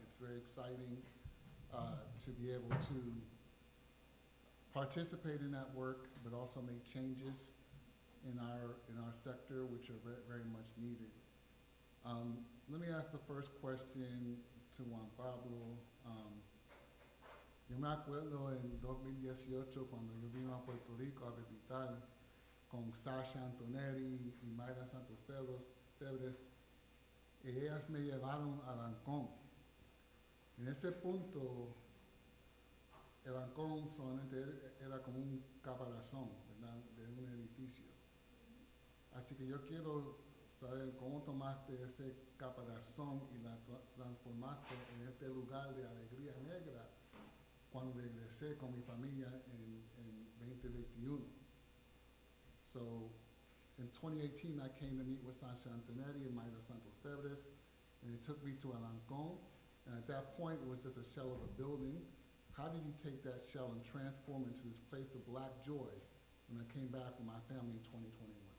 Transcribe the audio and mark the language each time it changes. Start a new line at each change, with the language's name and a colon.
English: It's very exciting to be able to participate in that work, but also make changes in our sector, which are very much needed. Let me ask the first question to Juan Pablo.
Spanish: Yo me acuerdo en 2018 cuando yo vine a Puerto Rico a visitar con Sasha Antonelli y Mayra Santos Febres, y ellas me llevaron a Ancón. En ese punto, el Ancón solamente era como un caparazón, ¿verdad?, de un edificio. Así que yo quiero saber cómo tomaste ese caparazón y la transformaste en este lugar de alegría negra cuando regresé con mi familia en 2021.
English: So, in 2018, I came to meet with Sasha Antonetti and Mayra Santos Febres, and it took me to Alancón, and at that point, it was just a shell of a building. How did you take that shell and transform into this place of black joy when I came back with my family in 2021?